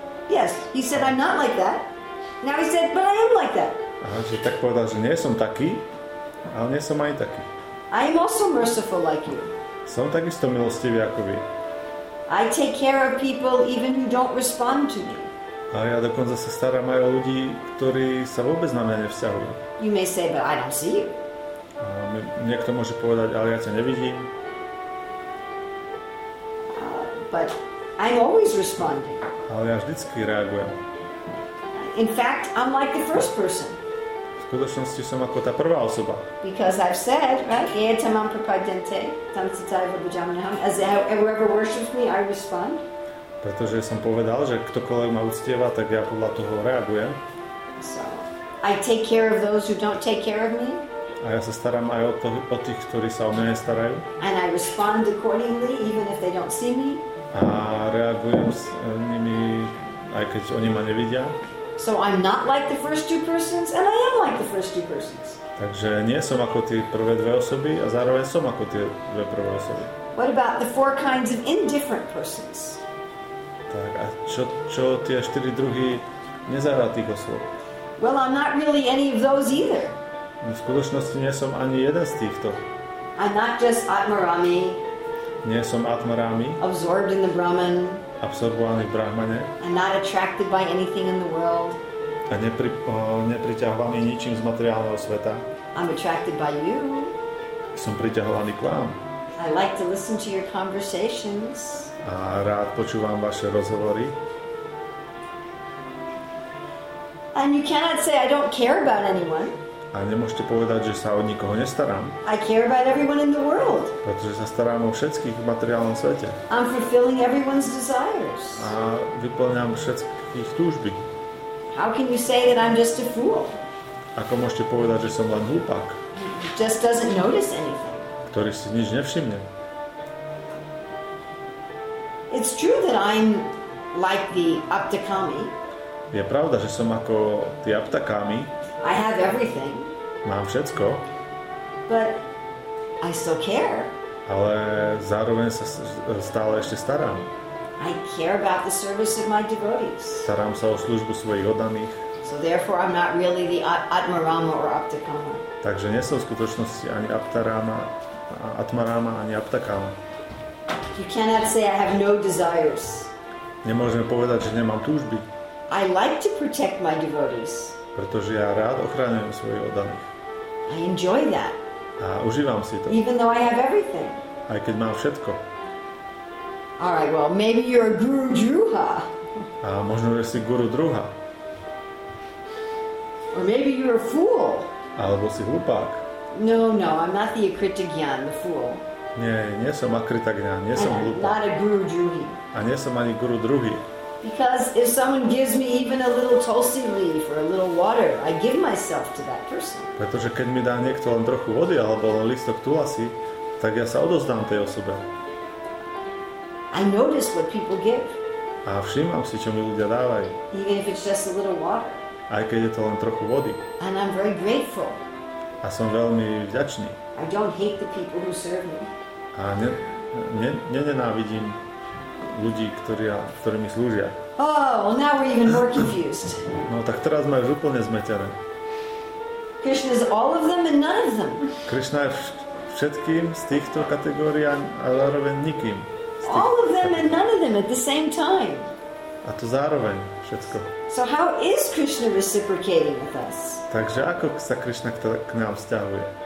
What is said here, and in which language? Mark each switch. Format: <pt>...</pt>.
<en>Yes, he said I'm not like that. Now he said, but I am like that.</en> <sk>Aha, že tak povedal, že nie som taký, ale nie som aj taký.</sk> <en>I am also merciful like you.</en> <sk>Som takisto milostivý ako vy.</sk> <en>I take care of people even who don't respond to me.</en> <sk>A ja dokonca sa starám aj o ľudí, ktorí sa vôbec na mňa nevzťahujú.</sk> <en>You may say, but I don't see you.</en> <sk>A niekto môže povedať, ale ja ťa nevidím.</sk> <en>But I'm always responding.</en> <sk>Ale ja vždycky reagujem.</sk> <en>In fact, I'm like the first person.</en> <sk>V skutočnosti som ako tá prvá osoba.</sk> <en>Because I've said, right? Ja tam mám prepadente, tam si tá vybudžam, as whoever worships me, I respond.</en> <sk>Pretože som povedal, že ktokoľvek ma uctieva, tak ja podľa toho reagujem.</sk> <en>So, I take care of those who don't take care of me.</en> <sk>A ja sa starám aj o tých, ktorí sa o mňa nestarajú.</sk> <en>And I respond accordingly, even if they don't see me.</en> <sk>A reagujem s nimi, aj keď oni ma nevidia.</sk> <en>So I'm not like the first two persons, and I am like the first two persons.</en> <sk>Takže nie som ako tie prvé dve osoby, a zároveň som ako tie dve prvé osoby.</sk> <en>What about the four kinds of indifferent persons?</en> <sk>Tak, a čo tie štyri druhy nezahratých osôb?</sk> <en>Well, I'm not really any of those either.</en> <sk>V skutočnosti nie som ani jeden z týchto.</sk> <en>I'm not just Atmarami.</en> <sk>Nie som Atmarami.</sk> <en>Absorbed in the Brahman.</en> <sk>Absorbovaný v Brahmane.</sk> <en>And not attracted by anything in the world.</en> <sk>A nepriťahovaný ničím z materiálneho sveta.</sk> <en>I'm attracted by you.</en> <sk>Som priťahovaný k vám.</sk> <en>I like to listen to your conversations.</en> <sk>A rád počúvam vaše rozhovory.</sk> <en>And you cannot say I don't care about anyone.</en> <sk>A nemôžete povedať, že sa o nikoho nestarám.</sk> <en>I care about everyone in the world.</en> <sk>Pretože sa starám o všetkých v materiálnom svete.</sk> <en>I'm fulfilling everyone's desires.</en> <sk>A vyplňam všetkých túžby.</sk> <en>How can you say that I'm just a fool?</en> <sk>Ako môžete povedať, že som len hlupák?</sk> <en>Just doesn't notice anything.</en> <sk>Ktorý si nič nevšimne.</sk> <en>It's true that I'm like the Aptakami.</en> <sk>Je pravda, že som ako tí Aptakami.</sk> <en>I have everything.</en> <sk>Mám všetko.</sk> <en>But I still care.</en> <sk>Ale zároveň sa stále ešte starám.</sk> <en>I care about the service of my devotees.</en> <sk>Starám sa o službu svojich oddaných.</sk> <en>So therefore I'm not really the Atmarama or Aptakama.</en> <sk>Takže nie som v skutočnosti ani Atmarama ani Aptakama.</sk> <en>You cannot say I have no desires.</en> <sk>Nemôžeme povedať, že nemám túžby.</sk> <en>I like to protect my devotees.</en> <sk>Pretože ja rád ochraňujem svojich oddaných.</sk> <en>I enjoy that.</en> <sk>A užívam si to.</sk> <en>Even though I have everything.</en> <sk>Aj keď mám všetko.</sk> <en>All right, well, maybe you're a guru druha.</en> <sk>A možno, že si guru druha.</sk> <en>Or maybe you're a fool.</en> <sk>Alebo si hlupák.</sk> <en>No, no, I'm not the akrita gyan, the fool.</en> <sk>Nie, nie som akrita gyan, nie som hlupák.</sk> <en>I'm not a guru druhi.</en> <sk>A nie som ani guru druhý.</sk> <en>Because if someone gives me even a little tulsi leaf or a little water, I give myself to that person.</en> <sk>Pretože keď mi dá niekto len trochu vody alebo len listok tulasi, tak ja sa odozdám tej osobe.</sk> <en>I notice what people give.</en> <sk>A všímam si, čo mi ľudia dávajú.</sk> <en>Even if it's just a little water.</en> <sk>Aj keď je to len trochu vody.</sk> <en>And I'm very grateful.</en> <sk>A som veľmi vďačný.</sk> <en>I don't hate the people who serve me.</en> <sk>A nenávidím ľudí, ktorí mi slúžia.</sk> <en>Oh, well now we're even more confused.</en> <sk>No tak teraz ma už úplne zmetené.</sk> <en>Krishna is all of them and none of them.</en> <sk>Krishna je všetkým z týchto kategórií a zároveň nikým.</sk> <en>All of them and none of them at the same time.</en> <sk>A to zároveň všetko.</sk> <en>So how is Krishna reciprocating with us?</en> <sk>Takže ako sa Krishna k nám vzťahuje?</sk>